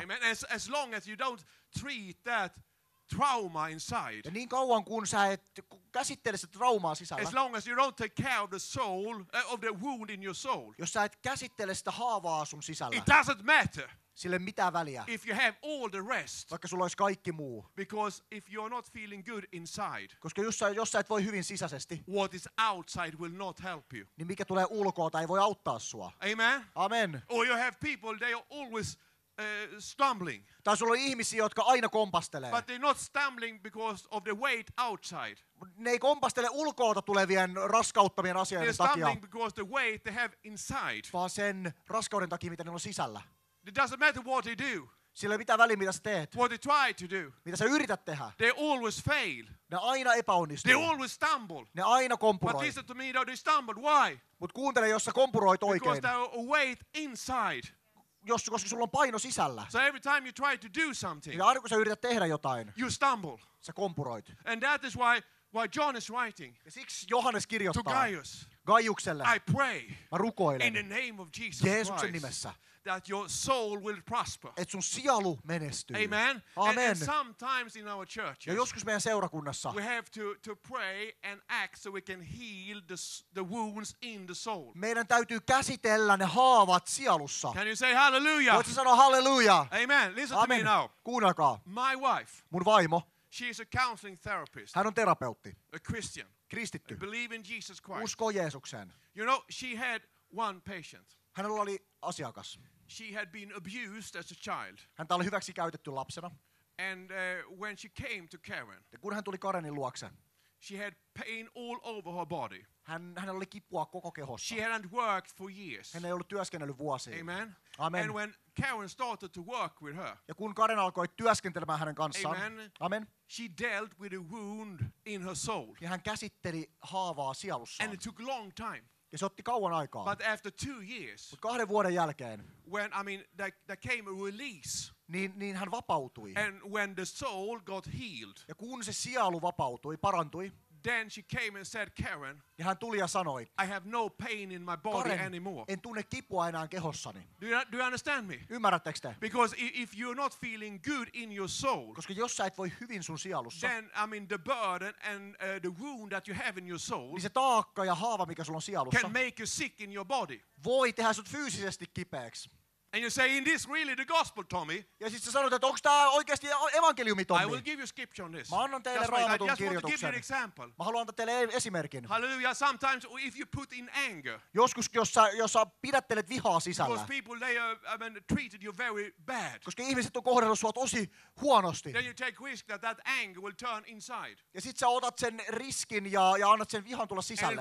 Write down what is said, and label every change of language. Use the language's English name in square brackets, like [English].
[English] Amen. As long as you don't treat that trauma inside. [Finnish] Ja niin kauan kun sä et käsittele sitä traumaa sisällä. [English] As long as you don't take care of the soul of the wound in your soul. [Finnish] Jos sä et käsittele sitä haavaa sun sisällä. [English] It doesn't matter. [Finnish] Sille mitä väliä. [English] If you have all the rest. [Finnish] Vaikka sulla olisi kaikki muu. [English] Because if you are not feeling good inside. [Finnish] Koska jos sä et voi hyvin sisäisesti. [English] What is outside will not help you. [Finnish] Niin mikä tulee ulkoa tai ei voi auttaa sua. Amen. Amen. [English] Or you have people they are always stumbling. [Finnish] Tai sulla on ihmisiä jotka aina kompastelee. [English] But they're not stumbling because of the weight outside. [Finnish] Ne ei kompastele ulkoota tulevien raskauttavien asioiden takia. [English] They're stumbling because the weight they have inside. [Finnish] Vaan sen raskauden takia mitä ne on sisällä. [English] It doesn't matter what they do. [Finnish] Sillä ei mitään väliä, mitä sä teet. [English] What they try to do. [Finnish] Mitä sä yrität tehdä. [English] They always fail. [Finnish] Ne aina epäonnistuu. [English] They always stumble. [Finnish] Ne aina kompuroi. [English] But listen to me, they stumble. Why? [Finnish] Mut kuuntele, jos sä kompuroit oikein. [English] Because they are weight inside. [Finnish] Koska sulla on paino sisällä. [English] So every time you try to do something. [Finnish] Ja aina kun sä yrität tehdä jotain. [English] You stumble. [Finnish] Sä kompuroit. [English] And that is why John is writing. [Finnish] Ja siksi Johannes kirjoittaa. [English] To Gaius. [Finnish] Gaiukselle. [English] I pray. [Finnish] Mä rukoilen. [English] In the name of Jesus Christ. [Finnish] Jeesuksen nimessä. [English] That your soul will prosper. [Finnish] Et sun sielu menestyy. Amen. Amen. [English] And sometimes in our churches. [Finnish] Ja joskus meidän seurakunnassa. [English] We have to pray and act so we can heal the wounds in the soul. [Finnish] Meidän täytyy käsitellä ne haavat sielussa. [English] Can you say hallelujah? [Finnish] Voitko sanoa hallelujah? [English] Amen. Listen Amen. To me now. [Finnish] Kuunnelkaa. [English] My wife. [Finnish] Mun vaimo. [English] She is a counseling therapist. [Finnish] Hän on terapeutti. [English] A Christian. [Finnish] Kristitty. [English] Believe in Jesus Christ. [Finnish] Uskoo Jeesukseen. [English] You know, she had one patient. [Finnish] Hänellä oli asiakas. [English] She had been abused as a child. [Finnish] Häntä oli hyväksi käytetty lapsena. [English] And when she came to Karen. [Finnish] Ja kun hän tuli Karenin luokse. [English] She had pain all over her body. [Finnish] Hänellä oli kipua koko kehossa. [English] She hadn't worked for years. [Finnish] Hän ei ollut työskennellyt vuosiin. Amen. Amen. [English] And when Karen started to work with her. [Finnish] Ja kun Karen alkoi työskentelemään hänen kanssaan. Amen. Amen. [English] She dealt with a wound in her soul. [Finnish] Ja hän käsitteli haavaa sielussaan. [English] And it took a long time. [Finnish] Ja se otti kauan aikaa. [English] But after 2 years. [Finnish] Mut kahden vuoden jälkeen. [English] When I mean that came a release. [Finnish] Niin hän vapautui. [English] And when the soul got healed. [Finnish] Ja kun se sielu vapautui, parantui. [English] then she came and said, Karen, [Finnish] ja hän tuli ja sanoi, [English] I have no pain in my body Karen, anymore. [Finnish] En tunne kipua enää kehossani. [English] Do you understand me? [Finnish] Ymmärrättekö te? [English] Because if you're not feeling good in your soul, [Finnish] koska jos sä et voi hyvin sun sielussa, [English] then I mean the burden and the wound that you have in your soul, [Finnish] niin se taakka ja haava, mikä sulla on sielussa, [English] can make you sick in your body. [Finnish] Voi tehdä sut fyysisesti kipeäksi. [English] And you say, "Is this really the gospel, Tommy?" [Finnish] Ja sit sä sanot, että onks tää oikeesti evankeliumi, Tommy? [English] I will give you scripture on this. [Finnish] Mä annan teille raamatun kirjoituksen. [English] I just want to give you an example. [Finnish] Mä haluan antaa teille esimerkin. Hallelujah. [English] Sometimes if you put in anger. [Finnish] Joskus jos sä pidättelet vihaa sisällä. [English] Because people they treated you very bad. [Finnish] Koska ihmiset on kohdellut sua tosi huonosti. [English] Then you take risk that anger will turn inside. [Finnish] Ja sit sä otat sen riskin ja annat sen vihan tulla sisälle.